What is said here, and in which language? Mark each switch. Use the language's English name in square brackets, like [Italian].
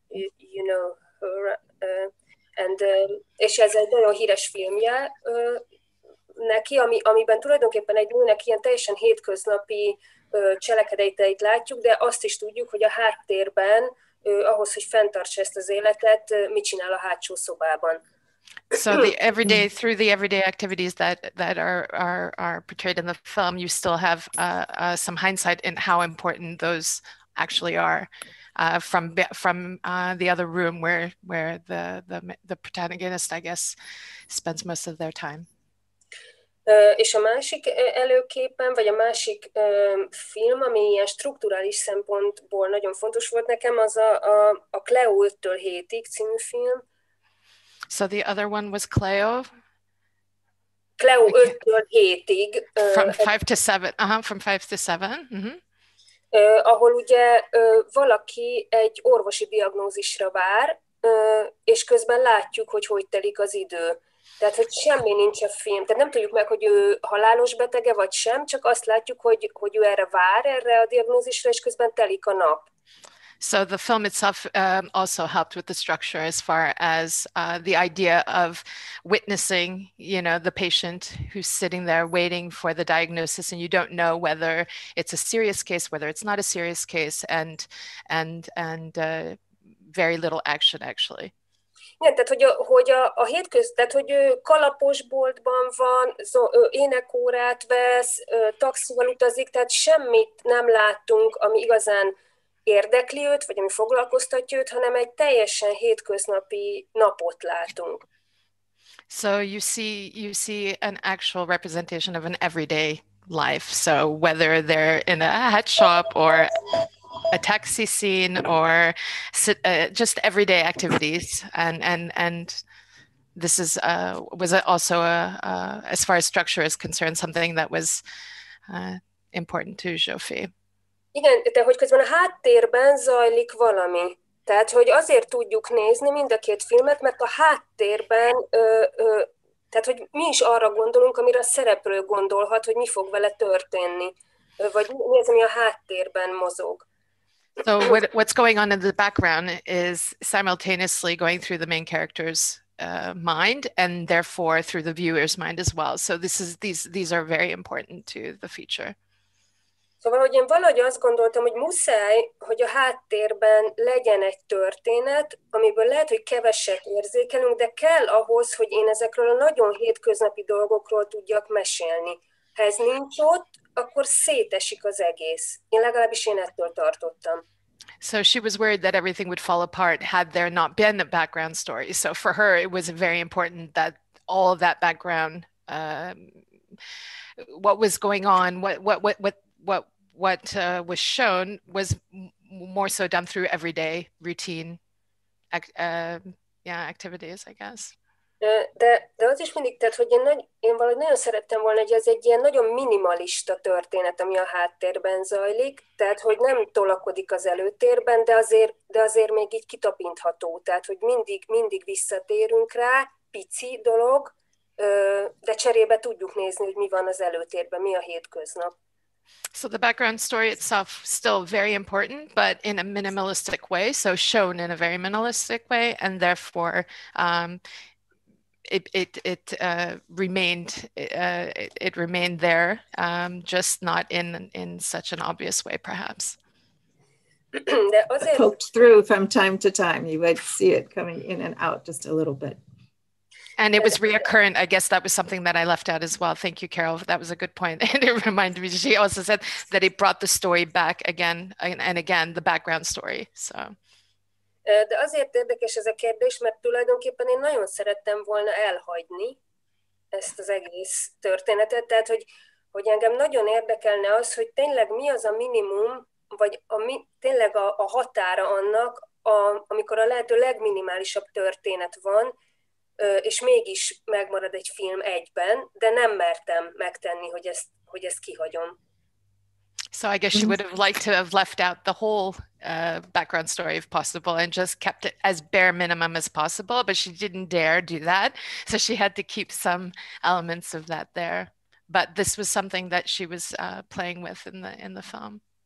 [English] You know her, [Hungarian] és ez egy nagyon híres filmje. Neki, amiben tulajdonképpen egy nőnek ilyen teljesen hétköznapi cselekedeteit látjuk, de azt is tudjuk, hogy a háttérben, ahhoz, hogy fenntartsa ezt az életet, mit csinál a hátsó szobában. [English] So the everyday, through the everyday activities that are portrayed in the film, you still have some hindsight in how important those actually are from the other room where the protagonist, I guess, spends most of their time. [Hungarian] És a másik előképen, vagy a másik film, ami ilyen strukturális szempontból nagyon fontos volt nekem, az a Cleo 5-től 7-ig című film. [English] So the other one was Cleo? [Hungarian] Cleo 5-től 7-ig. [English] From 5 to 7, from 5 to 7. Mm-hmm. [Hungarian] Ahol ugye valaki egy orvosi diagnózisra vár, és közben látjuk, hogy telik az idő. Tehát, hogy semmi nincs a film. Tehát nem tudjuk meg, hogy ő halálos betege vagy sem, csak azt látjuk, hogy ő erre vár, erre a diagnózisra, és közben telik a nap. [English] So the film itself also helped with the structure as far as the idea of witnessing, you know, the patient who's sitting there waiting for the diagnosis, and you don't know whether it's a serious case, whether it's not a serious case, and very little action actually. [Hungarian] Igen, tehát hogy a hétköz, tehát hogy ő kalaposboltban van, énekórát vesz, taxival utazik, tehát semmit nem láttunk, ami igazán érdekli őt, vagy ami foglalkoztatja őt, hanem egy teljesen hétköznapi napot látunk. [English] So you see an actual representation of an everyday life. So whether they're in a hat shop or a taxi scene or just everyday activities, and this is was also as far as structure is concerned, something that was important to Zsófia. [Hungarian] Igen, de hogy közben a háttérben zajlik valami. Tehát, hogy azért tudjuk nézni mind a két filmet, mert a háttérben, tehát, hogy mi is arra gondolunk, amire a szereplő gondolhat, hogy mi fog vele történni, vagy mi az, ami a háttérben mozog. [English] So what's going on in the background is simultaneously going through the main character's mind, and therefore through the viewer's mind as well. So these are very important to the feature. [Hungarian] Szóval, hogy én valahogy azt gondoltam, hogy muszáj, hogy a háttérben legyen egy történet, amiből lehet, hogy keveset érzékelünk, de kell ahhoz, hogy én ezekről a nagyon hétköznapi dolgokról tudjak mesélni. Ha ez nincs ott, akkor szétesik az egész. Én legalábbis én ettől tartottam. [English] So she was worried that everything would fall apart had there not been a background story. So for her, it was very important that all of that background, what was going on, what was shown was more so done through everyday routine activities, I guess. [Hungarian] De az is mindig, tehát, hogy én valahogy nagyon szerettem volna, hogy ez egy ilyen nagyon minimalista történet, ami a háttérben zajlik, tehát, hogy nem tolakodik az előtérben, de azért még így kitapintható, tehát, hogy mindig visszatérünk rá, pici dolog, de cserébe tudjuk nézni, hogy mi van az előtérben, mi a hétköznap. [English] So the background story itself still very important, but in a minimalistic way, so shown in a very minimalistic way, and therefore it remained there, just not in such an obvious way, perhaps. Poked through from time to time, you might see it coming in and out just a little bit. And it was reoccurrent. I guess that was something that I left out as well. Thank you, Carol. That was a good point. And it reminded me, she also said that it brought the story back again and again, the background story. So. [Hungarian] De azért érdekes ez a kérdés, mert tulajdonképpen én nagyon szerettem volna elhagyni ezt az egész történetet. Tehát, hogy engem nagyon érdekelne az, hogy tényleg mi az a minimum, vagy tényleg a határa annak, amikor a lehető legminimálisabb történet van, és mégis megmarad egy film egyben, de nem mertem megtenni, hogy ezt kihagyom. [English] So I guess you would have liked to have left out the whole background story if possible and just kept it as bare minimum as possible, but she didn't dare do that. So she had to keep some elements of that there. But this was something that she was playing with in the film.